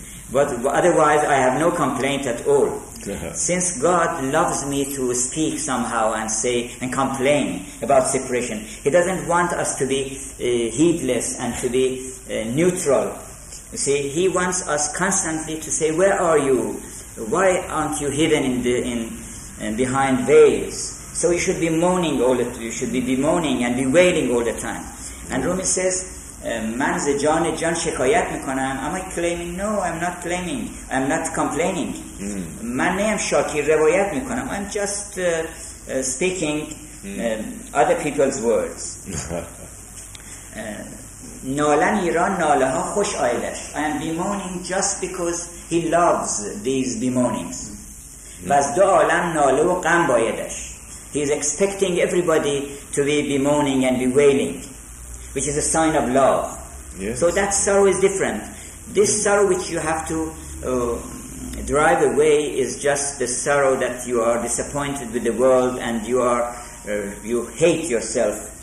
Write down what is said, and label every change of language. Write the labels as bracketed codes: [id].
[en] But otherwise, I have no complaint at all. Since God loves me to speak somehow and say and complain about separation, he doesn't want us to be heedless and to be neutral. You see, he wants us constantly to say, where are you? Why aren't you hidden behind veils? So you should be moaning all the time. You should be bemoaning and bewailing all the time. And Rumi says, [fa] من ز جان جان شکایت میکنم. [en] Am I claiming? No, I'm not claiming. I'm not complaining. [fa] من نیم شاکی روایت میکنم. [en] I'm just speaking other people's words. [fa] نالن ایران ناله ها خوش آیدش. [en] I am bemoaning just because he loves these bemoanings. [fa] و از دو عالم ناله و غم بایدش. [en] He is expecting everybody to be bemoaning and bewailing, which is a sign of love. Yes. So that sorrow is different. This sorrow which you have to drive away is just the sorrow that you are disappointed with the world and you hate yourself.